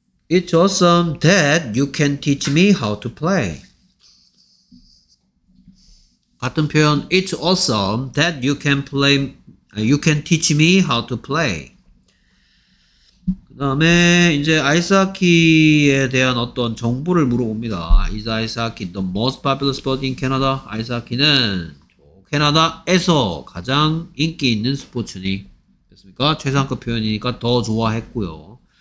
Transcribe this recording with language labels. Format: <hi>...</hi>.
<en>It's awesome that you can teach me how to play.</en> <ko>같은 표현</ko> <en>It's awesome that you can play you can teach me how to play.</en> <ko>그 다음에 이제 아이스하키에 대한 어떤 정보를 물어봅니다.</ko> <en>Is ice hockey the most popular sport in Canada?</en> <ko>아이스하키는 캐나다에서 가장 인기 있는 스포츠니 됐습니까? 최상급 표현이니까 더 좋아했고요.</ko>